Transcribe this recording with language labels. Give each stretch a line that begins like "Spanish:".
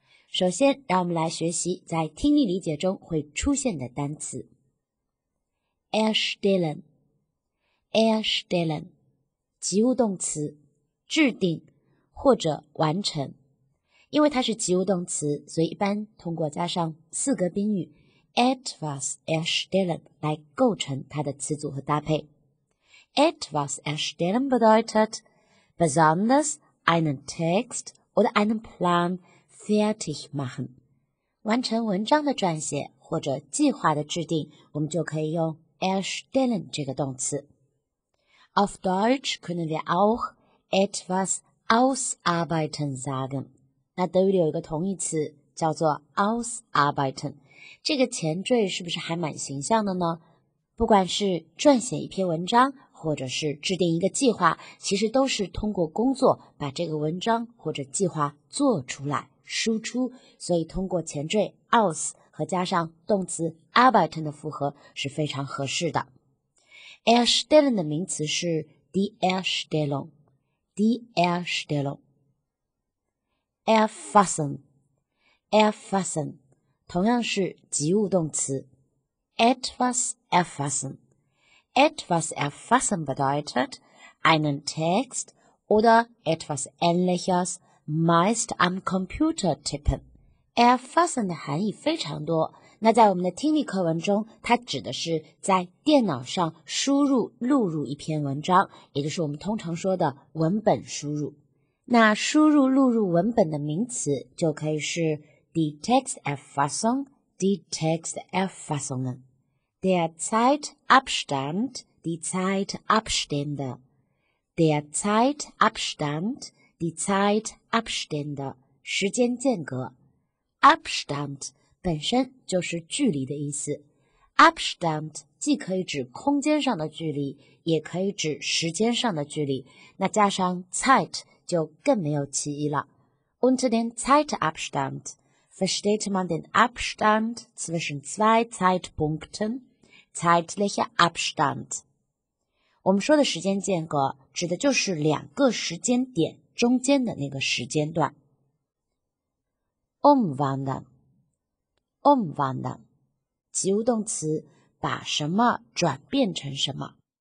Chinese: 首先，让我们来学习在听力理解中会出现的单词。
German: Erstellen, erstellen.
Chinese: 及物动词，制定或者完成。因为它是及物动词，所以一般通过加上四个宾语 etwas erstellen 来构成它的词组和搭配。
German: etwas erstellen bedeutet besonders einen Text oder einen Plan fertig machen.
Chinese: 完成文章的撰写或者计划的制定，我们就可以用 erstellen 这个动词。
German: Auf Deutsch können wir auch etwas ausarbeiten sagen.
Chinese: 那德语里有一个同义词叫做 ausarbeiten， 这个前缀是不是还蛮形象的呢？不管是撰写一篇文章，或者是制定一个计划，其实都是通过工作把这个文章或者计划做出来、输出。所以通过前缀 aus 和加上动词 arbeiten 的复合是非常合适的。 Erstellen 的名词是 die Erstellung， die Erstellung。 Erfassen， erfassen， 同样是及物动词。
German: Etwas erfassen。 Etwas erfassen bedeutet einen Text oder etwas ähnliches meist am Computer tippen.
Chinese: Erfassen 的含义非常多，那在我们的听力课文中，它指的是在电脑上输入录入一篇文章，也就是我们通常说的文本输入。那输入录入文本的名词就可以是 die Texterfassung， die Texterfassungen。
German: Der Zeitabstand, die Zeitabstände. Der Zeitabstand, die Zeitabstände.
Chinese: 时间间隔。 Abstand 本身就是距离的意思。 Abstand 既可以指空间上的距离，也可以指时间上的距离。那加上 Zeit 就更没有歧义了。
German: Unter den Zeitabstand versteht man den Abstand zwischen zwei Zeitpunkten. Zeitlicher Abstand.
Chinese: 我们说的时间间隔指的就是两个时间点中间的那个时间段。
German: Umwandeln. Umwandeln.
Chinese: 及物动词把什么转变成什么。